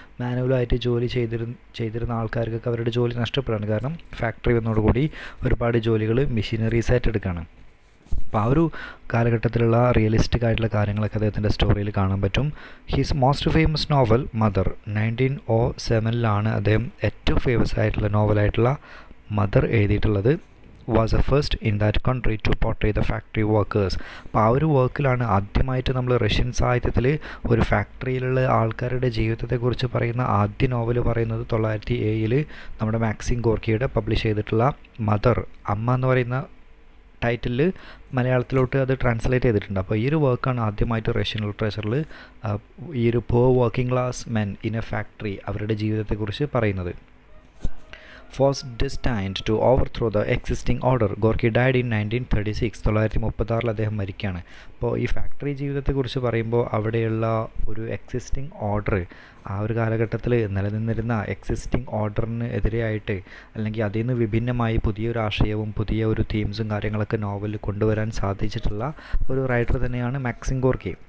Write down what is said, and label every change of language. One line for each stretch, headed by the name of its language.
Malayalam: മാനുവലായിട്ട് ജോലി ചെയ്തിരുന്ന ആൾക്കാർക്കൊക്കെ അവരുടെ ജോലി നഷ്ടപ്പെടുകയാണ്, കാരണം ഫാക്ടറി വന്നതോടുകൂടി ഒരുപാട് ജോലികൾ മെഷീനറീസ് ആയിട്ട് എടുക്കുകയാണ്. അപ്പോൾ ആ ഒരു കാലഘട്ടത്തിലുള്ള റിയലിസ്റ്റിക് ആയിട്ടുള്ള കാര്യങ്ങളൊക്കെ അദ്ദേഹത്തിൻ്റെ സ്റ്റോറിയിൽ കാണാൻ പറ്റും.
English: his most famous novel Mother,
Malayalam: 1907 അദ്ദേഹം ഏറ്റവും ഫേമസ് ആയിട്ടുള്ള നോവലായിട്ടുള്ള മദർ എഴുതിയിട്ടുള്ളത്.
English: was the first in that country to portray the factory workers.
Malayalam: അപ്പോൾ ആ ഒരു വർക്കിലാണ് ആദ്യമായിട്ട് നമ്മൾ റഷ്യൻ സാഹിത്യത്തിൽ ഒരു ഫാക്ടറിയിലുള്ള ആൾക്കാരുടെ ജീവിതത്തെക്കുറിച്ച് പറയുന്ന ആദ്യ നോവൽ പറയുന്നത് 1907 നമ്മുടെ മാക്സിം ഗോർക്കിയുടെ പബ്ലിഷ് ചെയ്തിട്ടുള്ള മദർ, അമ്മ എന്ന് പറയുന്ന ടൈറ്റിൽ മലയാളത്തിലോട്ട് അത് ട്രാൻസ്ലേറ്റ് ചെയ്തിട്ടുണ്ട്. അപ്പോൾ ഈ ഒരു വർക്കാണ് ആദ്യമായിട്ട് റഷ്യൻ ലിറ്ററേച്ചറിൽ ഈ ഒരു
English: poor working class men in a factory
Malayalam: അവരുടെ ജീവിതത്തെക്കുറിച്ച് പറയുന്നത്.
English: was destined to overthrow the existing order. Gorky died in 1936.
Malayalam: 1936-ൽ അദ്ദേഹം മരിക്കുകയാണ്. അപ്പോൾ ഈ ഫാക്ടറി ജീവിതത്തെക്കുറിച്ച് പറയുമ്പോൾ അവിടെയുള്ള ഒരു എക്സിസ്റ്റിംഗ് ഓർഡർ, ആ ഒരു കാലഘട്ടത്തിൽ നിലനിന്നിരുന്ന എക്സിസ്റ്റിംഗ് ഓർഡറിന് എതിരെയായിട്ട് അല്ലെങ്കിൽ അതിൽ നിന്ന് വിഭിന്നമായി പുതിയൊരു ആശയവും പുതിയ ഒരു തീംസും കാര്യങ്ങളൊക്കെ നോവലിൽ കൊണ്ടുവരാൻ സാധിച്ചിട്ടുള്ള ഒരു റൈറ്റർ തന്നെയാണ് മാക്സിം ഗോർക്കി.